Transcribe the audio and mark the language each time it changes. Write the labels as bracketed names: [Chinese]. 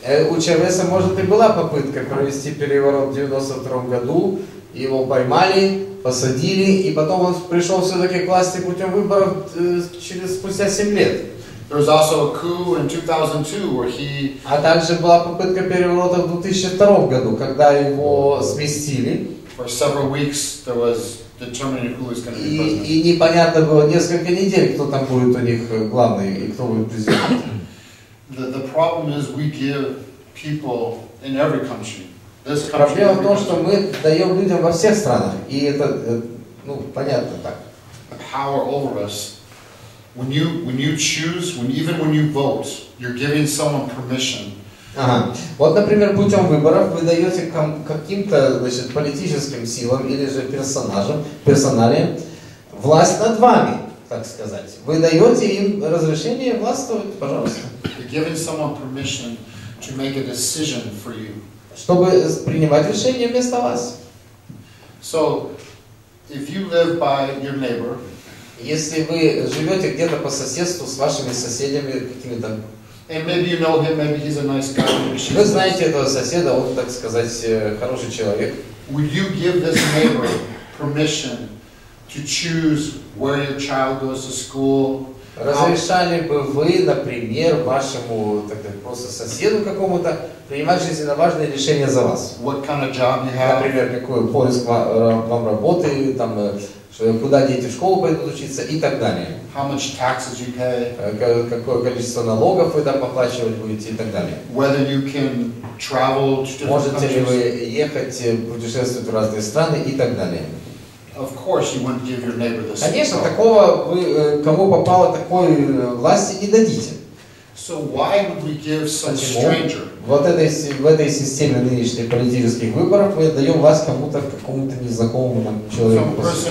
[Russian] У Чавеса, может, и была попытка провести переворот в 92 году, его поймали, посадили, и потом он пришел все-таки к власти путем выборов спустя 7 лет. [English] There was also a coup in 2002 where he... [Russian] А также была попытка переворота в 2002 году, когда его сместили. [English] For several weeks there was determining who was going to be president. [Russian] И непонятно было несколько недель, кто там будет у них главный и кто будет президент. [English] The problem is we give people in every country. This country. [Russian] Проблема в том, что мы даем людям во всех странах, и это, ну, понятно так. [English] The power over us. When you choose, even when you vote, you're giving someone permission. [Russian] Вот, например, путем выборов вы даете каким-то, значит, политическим силам или же персоналиям власть над вами, так сказать. Вы даете им разрешение властвовать, пожалуйста. [English] You're giving someone permission to make a decision for you. [Russian] Чтобы принимать решение вместо вас. [English] So, if you live by your neighbor. [Russian] Если вы живете где-то по соседству с вашими соседями какими-то, вы знаете этого соседа, он, так сказать, хороший человек. [English] Would you give this neighbor permission to choose where your child goes to school? [Russian] Разрешали бы вы, например, вашему, так сказать, просто соседу какому-то принимать жизненно важные решения за вас? [English] What kind of job you have? [Russian] Например, какой поиск вам работы там? Куда дети в школу пойдут учиться и так далее. [English] How much taxes you pay. [Russian] Какое количество налогов вы там оплачивать будете и так далее. [English] Whether you can travel to different [Russian] Можете [English] countries. [Russian] Ли вы ехать, путешествовать в разные страны и так далее. [English] Of course you wouldn't give your neighbor this. [Russian] Конечно, такого вы, кому попало, такой власти не дадите. [English] So why would we give such a stranger? [Russian] Вот в этой системе нынешних политических выборов мы даем вас какому-то незнакомому нам человеку.